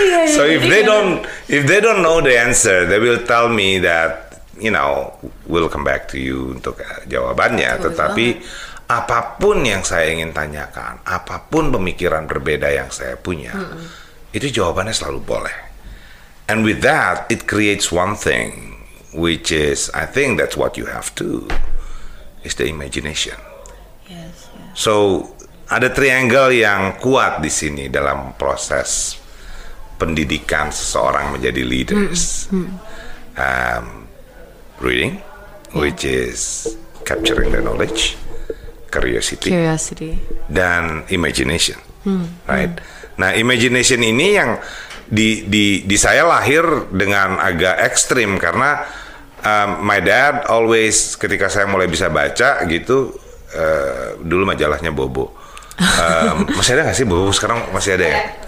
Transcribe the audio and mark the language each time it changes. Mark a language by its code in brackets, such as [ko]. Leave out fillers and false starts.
[en] So if they don't know the answer, they will tell me that, you know, we'll come back to you [id] untuk jawabannya. Tetapi apapun yang saya ingin tanyakan, apapun pemikiran berbeda yang saya punya, itu jawabannya selalu boleh. [en] And with that, it creates one thing, which is, I think that's what you have too, is the imagination. Yes. [id] So ada triangle yang kuat di sini dalam proses pendidikan seseorang menjadi leaders. [en] Reading, which is capturing the knowledge, curiosity. [id] Dan imagination. [en] Right. [id] Nah, imagination ini yang di saya lahir dengan agak ekstrim, karena [en] my dad always, [id] ketika saya mulai bisa baca gitu, dulu majalahnya Bobo. Masih ada gak sih Bobo? Sekarang masih ada ya?